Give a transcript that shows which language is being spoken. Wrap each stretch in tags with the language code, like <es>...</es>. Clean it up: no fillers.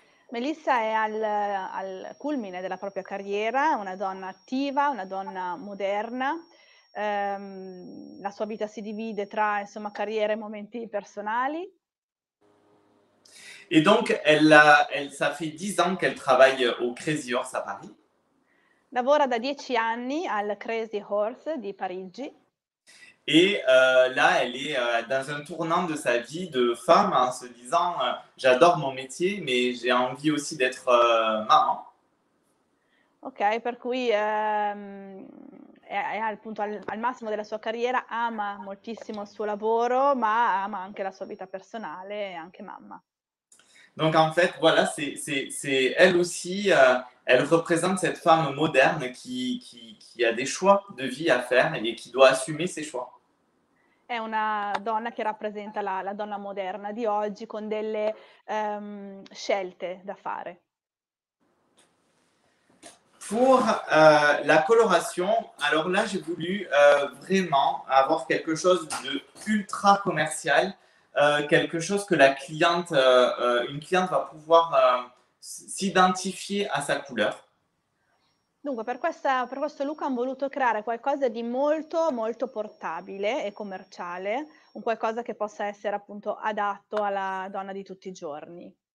<it>Mélissa è al culmine della propria carriera, una donna attiva, una donna moderna. La sua vita si divide tra, insomma, carriera e momenti personali.</it> <fr>Et donc, elle, ça fait 10 ans qu'elle travaille au Crazy Horse à Paris.</fr> <it>Lavora da 10 anni al Crazy Horse di Parigi.</it> <fr>Et là, elle est dans un tournant de sa vie de femme en se disant « J'adore mon métier, mais j'ai envie aussi d'être maman. »</fr> <it>Ok, per cui è appunto al massimo della sua carriera, ama moltissimo il suo lavoro, ma ama anche la sua vita personale e anche mamma.</it> <fr>Donc en fait, voilà, c'est elle aussi, elle représente cette femme moderne qui a des choix de vie à faire et qui doit assumer ses choix.</fr> <it>È una donna che rappresenta la donna moderna di oggi con delle scelte da fare.</it> <fr>Pour la coloration, alors là j'ai voulu vraiment avoir quelque chose de ultra commercial, quelque chose que la cliente, une cliente va pouvoir s'identifier à sa couleur.</fr> <it>Dunque, per questo look hanno voluto creare qualcosa di molto molto portabile e commerciale, un qualcosa che possa essere appunto adatto alla donna di tutti i giorni.</it>